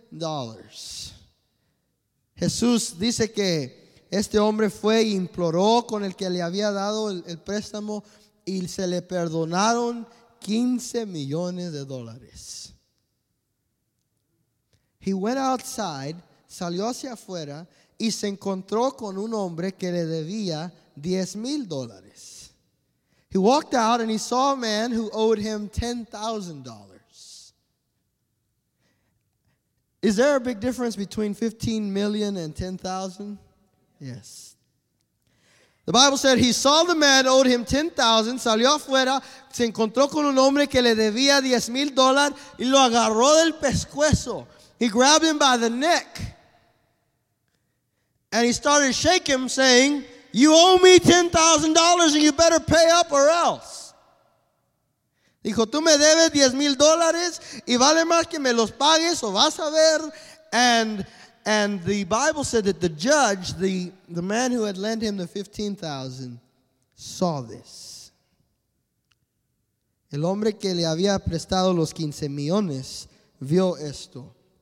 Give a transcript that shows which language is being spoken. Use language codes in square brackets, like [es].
[es] Jesús dice que este hombre fue e imploró con el que le había dado el préstamo y se le perdonaron 15 millones de dólares. [en] He went outside, [es] salió hacia afuera y se encontró con un hombre que le debía 10 mil dólares. [en] He walked out and he saw a man who owed him $10,000. Is there a big difference between $15 million and $10,000? Yes. The Bible said he saw the man owed him $10,000, [es] salió afuera, se encontró con un hombre que le debía $10,000 y lo agarró del pescuezo. [en] He grabbed him by the neck and he started shaking him saying, you owe me $10,000 and you better pay up or else. [es] Dijo, tú me debes $10,000 y vale más que me los pagues o vas a ver. [en] And the Bible said that the judge, the man who had lent him the $15,000, saw this. [es] El hombre que le había prestado los 15 millones vio esto.